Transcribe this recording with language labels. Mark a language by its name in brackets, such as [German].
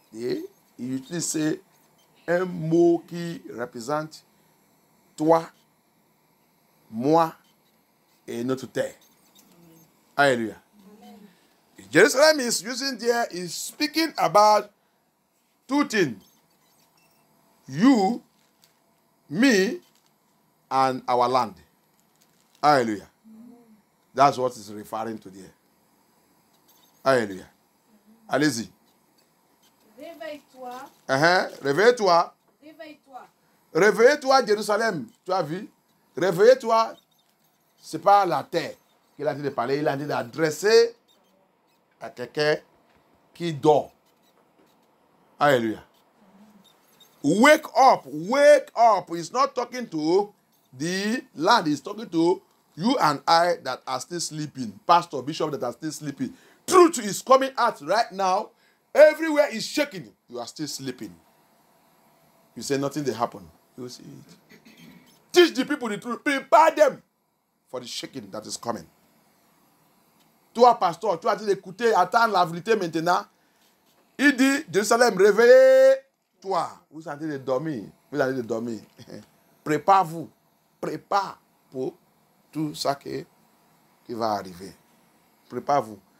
[French] Il utilise un mot qui représente toi, moi et notre terre. Alléluia. [English] Jerusalem is using there, is speaking about two things. You, me, and our land. Alléluia. That's what is referring to there. Alléluia. [French] Allez-y. Réveille-toi. Réveille-toi. Réveille-toi. Réveille-toi, Jérusalem. Tu as vu? Réveille-toi. Ce n'est pas la terre qu'il a dit de parler. Il a dit d'adresser à quelqu'un qui dort. [English] Alléluia. Wake up. Wake up. He's not talking to the land. He's talking to you and I that are still sleeping. Pastor, bishop that are still sleeping. Truth is coming out right now. Everywhere is shaking. You are still sleeping. You say nothing will happen. You will see it. Teach the people the truth. Prepare them for the shaking that is coming. [French] Toi, pasteur, tu as dit d'écouter, attendre la vérité maintenant. Il dit, Jérusalem, réveille-toi. Vous êtes en train de dormir. Vous êtes en train de dormir. Prépare-vous. Prépare pour tout ça qui va arriver. Prépare-vous.